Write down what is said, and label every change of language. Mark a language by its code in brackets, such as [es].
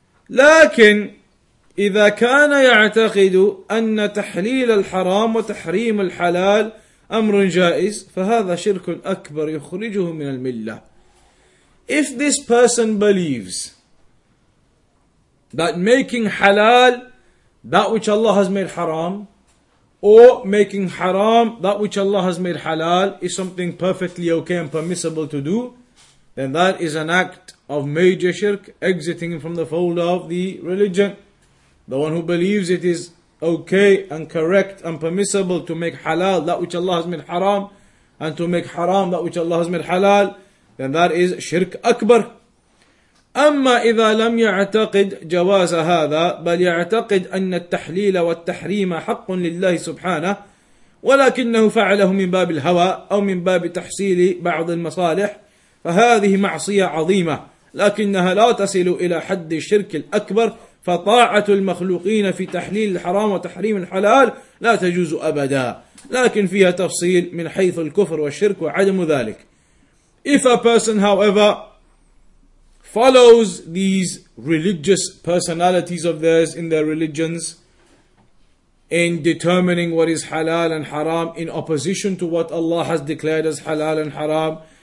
[ar] لكن إذا كان يعتقد أن تحليل الحرام وتحريم الحلال أمر جائز فهذا شرك أكبر يخرجه من الملة. [en] If this person believes that making halal that which Allah has made haram, or making haram that which Allah has made halal, is something perfectly okay and permissible to do, then that is an act of major shirk, exiting from the fold of the religion. The one who believes it is okay and correct and permissible to make halal that which Allah has made haram, and to make haram that which Allah has made halal, then that is shirk akbar. [ar] أما إذا لم يعتقد جواز هذا بل يعتقد أن التحليل والتحريم حق لله سبحانه ولكنه فعله من باب الهوى أو من باب تحصيل بعض المصالح فهذه معصية عظيمة لكنها لا تصل إلى حد الشرك الأكبر فطاعة المخلوقين في تحليل الحرام وتحريم الحلال لا تجوز أبدا لكن فيها تفصيل من حيث الكفر والشرك وعدم ذلك. [en] If a person however follows these religious personalities of theirs in their religions in determining what is halal and haram in opposition to what Allah has declared as halal and haram.